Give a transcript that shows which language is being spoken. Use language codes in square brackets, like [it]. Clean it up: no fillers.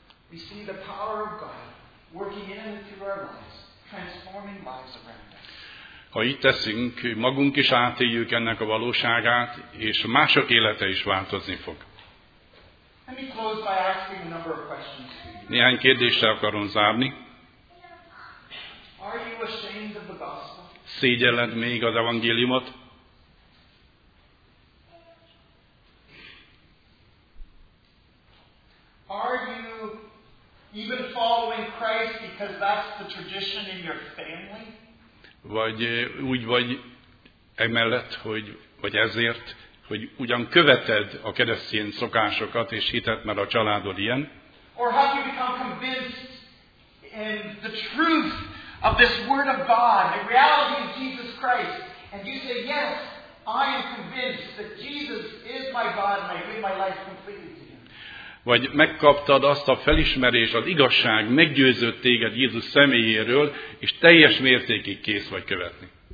[en] We see the power of God working in and through our lives, transforming lives around us. [hu] Ha így teszünk, magunk is átéljük ennek a valóságát, és mások élete is változni fog. [en] Let me close by asking a number of questions. [hu] Néhány kérdéssel akarom zárni. [en] Are you ashamed of the gospel? [hu] Szégyelled még az evangéliumot? [en] Are you Even following Christ because that's the tradition in your family? [hu] Vagy úgy vagy emellett, hogy vagy ezért, hogy ugyan követed a keresztény szokásokat és hitet, mert a családod ilyen? [en] Or have you become convinced in the truth of this word of God, the reality of Jesus Christ, and you say, yes, I am convinced that Jesus is my God and I give my life completely. [hu] Vagy megkaptad azt a felismerést, az igazság meggyőzött téged Jézus személyéről, és teljes mértékig kész vagy követni.